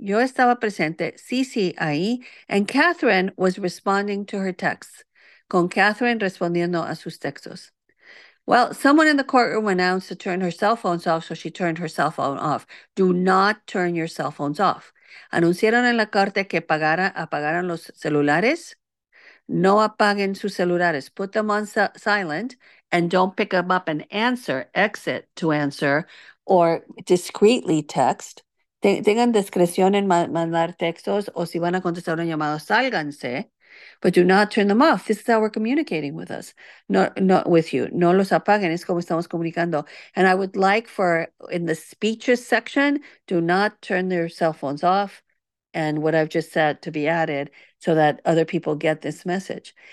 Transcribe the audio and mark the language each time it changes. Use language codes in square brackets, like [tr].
[es] Yo estaba presente, Cece ahí, [en] and Catherine was responding to her texts, [es] con Catherine respondiendo a sus textos. [en] Well, someone in the courtroom announced to turn her cell phones off, so she turned her cell phone off. Do not turn your cell phones off. [es] Anunciaron en la corte que apagaran los celulares. No apaguen sus celulares. [en] Put them on silent and don't pick them up and answer, exit to answer, or discreetly text. [es] Tengan discreción en mandar textos o si van a contestar un llamado, sálganse. [en] But do not turn them off. This is how we're communicating with us, not with you. [es] No los apaguen. Es como estamos comunicando. [en] And I would like for, in the speeches section, do not turn their cell phones off, and what I've just said to be added so that other people get this message.